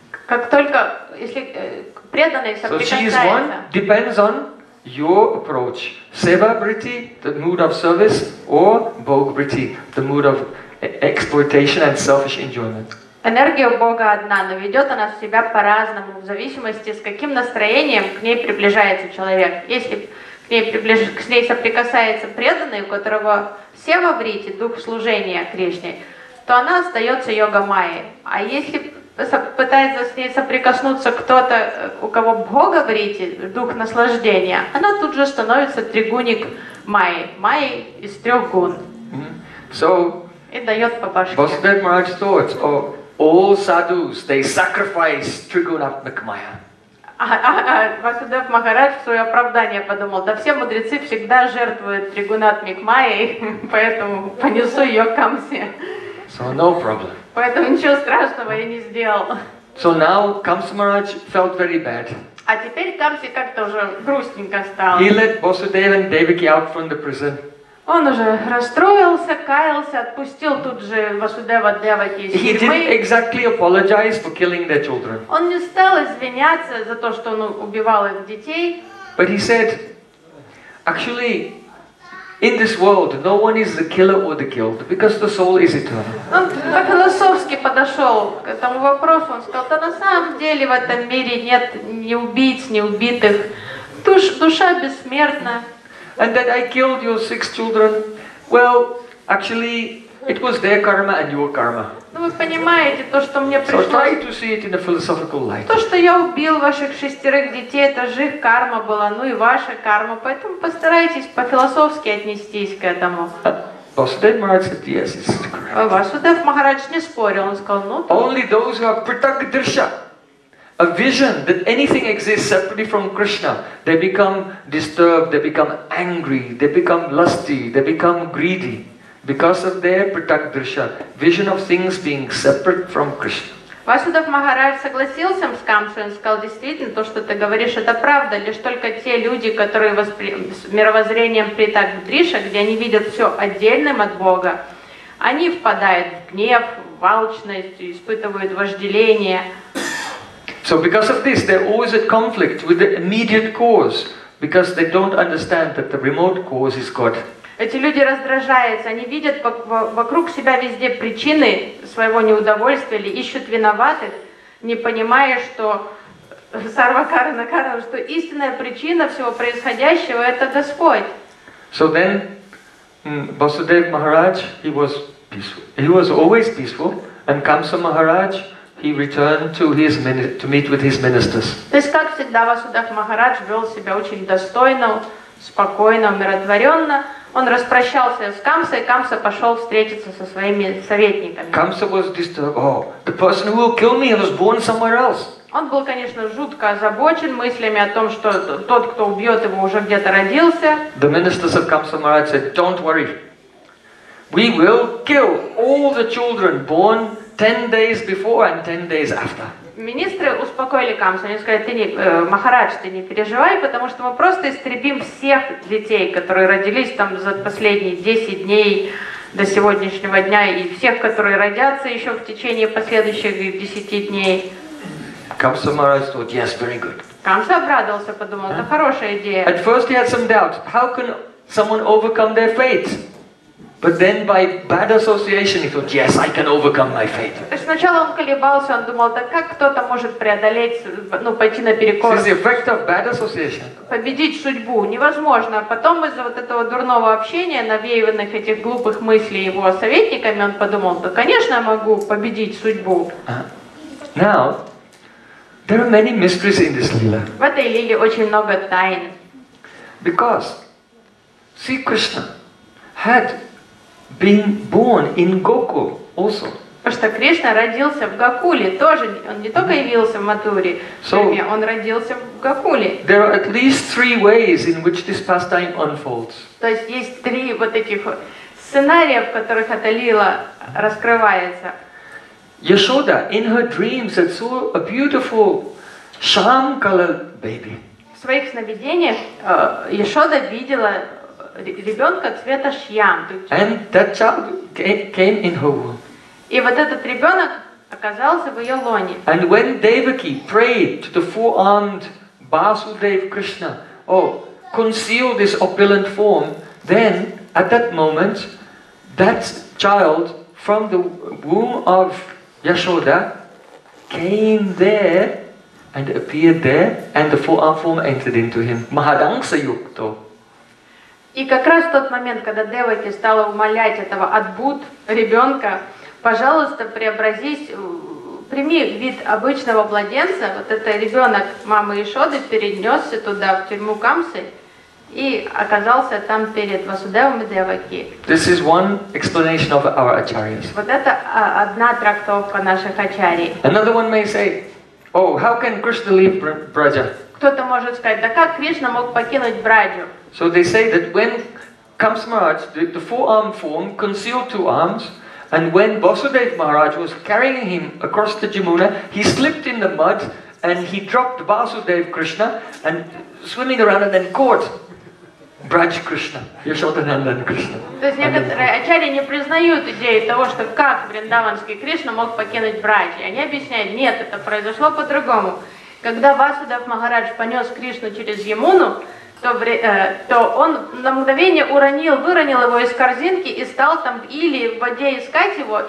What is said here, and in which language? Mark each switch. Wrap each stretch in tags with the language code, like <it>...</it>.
<ru>Как только, если преданный соприкасается.</ru> <en>So she is one, depends on your approach. Seva vritti, the mood of service, or bhogvritti, the mood of exploitation and selfish enjoyment.</en> <ru>Энергия у Бога одна, но ведет она себя по-разному, в зависимости с каким настроением к ней приближается человек. Если к ней соприкасается преданный, у которого сева вритти, дух служения Кришне, то она остается йога майей. А если пытается с ней соприкоснуться кто-то, у кого Бога вритти, дух наслаждения, она тут же становится тригуник майей, майей из трех гун.</ru> <en>So,</en> <ru>и дает по башке.</ru> <en>Vasudeva Maharaj thought, oh, all sadhus, they sacrifice Trigunatmak Maya.</en> <ru>Vasudeva Maharaj в свое оправдание подумал, да все мудрецы всегда жертвуют Trigunatmak Maya, поэтому понесу ее к Камсе.</ru> <en>So no problem.</en> <ru>Поэтому ничего страшного я не сделал.</ru> <en>So now Kamsa Maharaj felt very bad.</en> <ru>А теперь Камси как-то уже грустненько стал.</ru> <en>He let Vasudeva and Devaki out from the prison.</en> <ru>Он уже расстроился, каялся, отпустил тут же Васудева Девати из тюрьмы.</ru> <en>He didn't exactly apologize for killing their children.</en> <ru>Он не стал извиняться за то, что он убивал их детей.</ru> <en>But he said, actually, in this world, no one is the killer or the killed, because the soul is eternal.</en> <ru>Он по-философски подошел к этому вопросу. Он сказал, да на самом деле в этом мире нет ни убийц, ни убитых. Душа бессмертна.</ru> <en>And that I killed your six children, well, actually, it was their karma and your karma.</en> <ru>Ну вы понимаете, то, что мне пришлось...</ru> <en>So try to see it in a philosophical light.</en> <ru>То, что я убил ваших шестерых детей, это же их карма была, ну и ваша карма, поэтому постарайтесь по-философски отнестись к этому.</ru> <en>Vasudev Maharaj said, yes, it's correct.</en> <ru>Vasudev Maharaj не спорил, он сказал, ну...</ru> <en>Only those who have pritak drsha, a vision that anything exists separately from Krishna, they become disturbed, they become angry, they become lusty, they become greedy. Because of their pritak drsha, vision of things being separate from Krishna.</en> <ru>Васудев Махарадж согласился с Камсой, он сказал, действительно, то, что ты говоришь, это правда. Лишь только те люди, которые с мировоззрением притак дриша, где они видят все отдельным от Бога, они впадают в гнев, в алчность, испытывают вожделение.</ru> <en>So because of this, they're always at conflict with the immediate cause, because they don't understand that the remote cause is God.</en> <ru>Эти люди раздражаются, они видят вокруг себя везде причины своего неудовольствия или ищут виноватых, не понимая, что сарвакарана карана, что истинная причина всего происходящего это Господь.</ru> <en>So then Vasudev Maharaj, he was peaceful. He was always peaceful, and Kamsa Maharaj, he returned to his to meet with his ministers.</en> <ru>То есть, как всегда, Vasudev Maharaj вел себя очень достойно, спокойно, умиротворенно. Он распрощался с Камсой, и Камса пошел встретиться со своими советниками.</ru> <en>Камса was disturbed. Oh, the person who will kill me was born somewhere else.</en> <ru>Он был, конечно, жутко озабочен мыслями о том, что тот, кто убьет его, уже где-то родился.</ru> <en>The ministers of Kamsa Maharaj said, "Don't worry. We will kill all the children born 10 days before and 10 days after."</en> <ru>Министры успокоили Камсу, они сказали, Махарадж, ты не переживай, потому что мы просто истребим всех детей, которые родились там за последние 10 дней до сегодняшнего дня, и всех, которые родятся еще в течение последующих 10 дней.</ru> <en>Камса Махарадж thought, yes, very good.</en> <ru>Камса обрадовался, подумал, это хорошая идея.</ru> <en>At first he had some doubts, how can someone overcome their fate? But then by bad association he thought, yes, I can overcome my fate.</en> <ru>То есть сначала он колебался, он думал, так как кто-то может преодолеть, ну, пойти наперекор.</ru> <en>This is the effect of bad association.</en> <ru>Победить судьбу невозможно. Потом из-за вот этого дурного общения, навеянных этих глупых мыслей его советниками, он подумал, да, конечно, я могу победить судьбу.</ru> <en>Now, there are many mysteries in this lila.</en> <ru>В этой лиле очень много тайн.</ru> <en>Because, see, Krishna had been born in Gokul also.</en> <ru>Потому что Кришна родился в Гокуле тоже. Он не только явился в Матуре, он родился в Гокуле.</ru> <en>There are at least three ways in which this pastime unfolds.</en> <ru>То есть есть три вот этих сценария, в которых эта лила раскрывается.</ru> <en>Yashoda in her dreams had saw a beautiful sham-colored baby.</en> <ru>В своих сновидениях Yashoda видела ребенка цвета шьям.</ru> <en>And that child came in her womb.</en> <ru>И вот этот ребенок оказался в ее лоне.</ru> <en>And when Devaki prayed to the four-armed Vasudev Krishna, oh, conceal this opulent form, then at that moment, that child from the womb of Yashoda came there and appeared there, and the four-armed form entered into him. Mahadamsa Yukto.</en> <ru>И как раз в тот момент, когда Девати стала умолять этого Адбут ребенка, пожалуйста, преобразись, прими вид обычного младенца, вот этот ребенок мамы Ишоды перенесся туда, в тюрьму Камсы, и оказался там перед Васудевом и Девати.</ru> <en>This is one explanation of our acharyas.</en> <ru>Вот это одна трактовка наших ачарий.</ru> <en>Another one may say, oh, how can Krishna leave Braja?</en> <ru>Кто-то может сказать, да как Кришна мог покинуть Браджу?</ru> <en>So they say that when Kamsa Maharaj, the four-armed form, concealed two arms, And when Basudev Maharaj was carrying him across the Jamuna, he slipped in the mud and he dropped Basudev Krishna and swimming around and then caught Braj Krishna, Yashoda Nandan Krishna.</en> <ru>То есть некоторые ачарьи не признают идеи того, что как Вриндаванский Кришна мог покинуть Брадж. Они объясняют, нет, это произошло по-другому. Когда Васудев Махарадж понес Кришну через Ямуну, то он на мгновение выронил его из корзинки и стал там в илии в воде искать его.</ru>